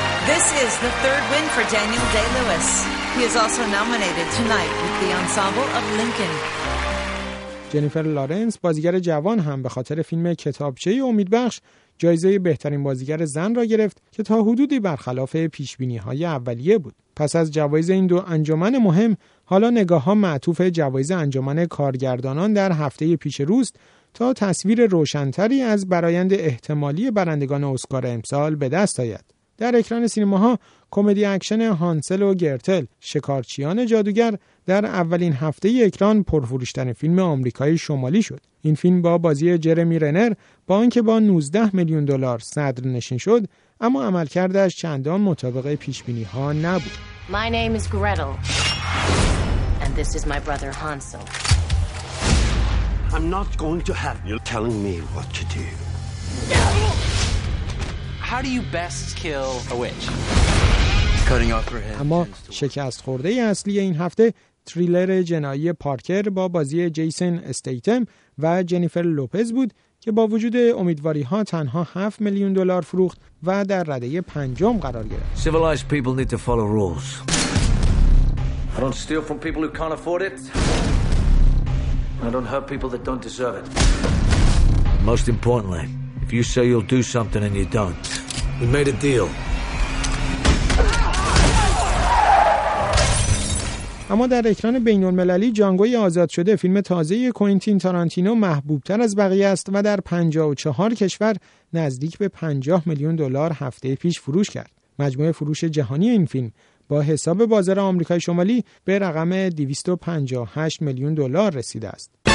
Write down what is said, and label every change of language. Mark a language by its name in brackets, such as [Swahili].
[English] This is the third win for Daniel Day-Lewis. He is also nominated tonight with the ensemble of Lincoln. [Persian] جنیفر لارنس، بازیگر جوان، هم به خاطر فیلم کتابچه امیدبخش جایزه بهترین بازیگر زن را گرفت که تا حدودی برخلاف پیشبینی‌های اولیه بود. پس از جوایز این دو انجمن مهم، حالا نگاه‌ها معطوف جوایز انجمن کارگردانان در هفته پیش روست تا تصویر روشن‌تری از برآیند احتمالی برندگان اسکار امسال به دست آید. در اکران سینماها کمدی اکشن هانسل و گرتل، شکارچیان جادوگر، در اولین هفته اکران پرفروش‌ترین فیلم آمریکای شمالی شد. این فیلم با بازی جرمی رنر با آنکه با 19 میلیون دلار صدر نشین شد، اما عملکردش چندان مطابق پیشبینی‌ها نبود. [English] My name is Gretel and this is my brother Hansel. I'm not going to have you telling me what to do. How do you best kill a witch? Cutting off her head. [Persian] اما شکست خورده اصلی این هفته تریلر جنایی پارکر با بازی جیسن استیتم و جنیفر لوپز بود که با وجود امیدواری‌ها تنها 7 میلیون دلار فروخت و در رده پنجم قرار گرفت. [English] Civilized people need to follow rules. I don't steal from people who can't afford it. I don't hurt people that don't deserve it. Most importantly, if you say you'll do something and you don't, we made a deal. [Persian] اما در اکران بین‌المللی جانگوی آزاد شده فیلم تازه کوئنتین تارانتینو محبوب‌تر از بقیه است و در 54 کشور نزدیک به 50 میلیون دلار هفته پیش فروش کرد. مجموع فروش جهانی این فیلم با حساب بازار آمریکای شمالی به رقم 258 میلیون دلار رسیده است.